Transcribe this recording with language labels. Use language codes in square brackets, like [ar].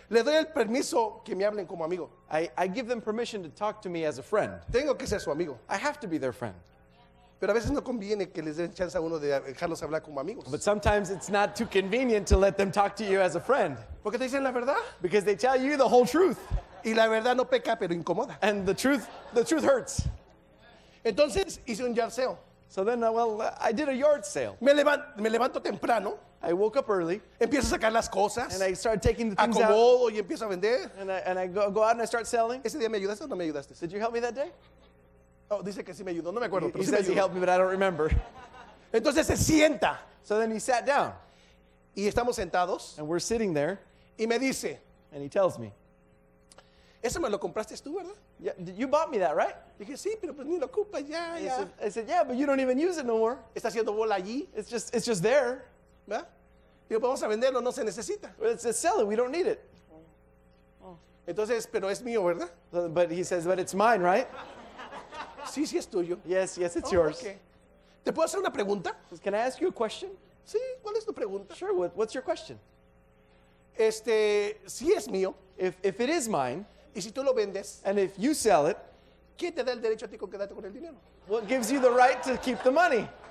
[es] le doy el permiso que me hablen como amigo. [en] I give them permission to talk to me as a friend. [es] Tengo que ser su amigo. [en] I have to be their friend. [es] Pero a veces no conviene que les den chance a uno de dejarlos hablar como amigos. [en] But sometimes it's not too convenient to let them talk to you as a friend. [es] Porque te dicen la verdad. [en] Because they tell you the whole truth. [es] Y la verdad no peca, pero incomoda. [en] And the truth hurts. [es] Entonces hice un yard sale. [en] So then, well, I did a yard sale. [es] Me levanto temprano. [en] I woke up early. [es] Empiezo a sacar las cosas. [en] And I started taking the things [es] acomodo [en] out. [es] Y empiezo a vender. [en] And I go out and I start selling. [es] ¿Ese día me ayudaste o no me ayudaste? [en] Did you help me that day? [es] Oh, dice que sí me ayudó. No me acuerdo. [en] He [es] sí [en] says [es] ayudó. [en] He helped me, but I don't remember. [es] Entonces se sienta. [en] So then he sat down. [es] Y estamos sentados. [en] And we're sitting there. [es] Y me dice. [en] And he tells me. [es] Eso me lo compraste tú, ¿verdad? [en] Yeah, you bought me that, right? [es] Dije, sí, pero pues ni lo ocupas, ya, yeah, ya. [en] Yeah. I said, yeah, but you don't even use it no more. [es] Está haciendo bola allí. [en] It's just there. [es] ¿Verdad? Digo, vamos a venderlo, no se necesita. [en] Well, it's a seller, we don't need it. [es] Oh. Entonces, pero es mío, ¿verdad? [en] So, but he says, but it's mine, right? [es] Sí, sí, es tuyo. [en] Yes, yes, it's yours. [es] Okay. ¿Te puedo hacer una pregunta? [en] Can I ask you a question? [es] Sí, ¿cuál es tu pregunta? [en] Sure, what's your question? [es] Sí es mío. [en] If it is mine, [es] ¿Y si tú lo vendes? [en] And if you sell it, [es] ¿qué te da el derecho a ti con quedarte con el dinero? [en] What gives you the right to keep the money?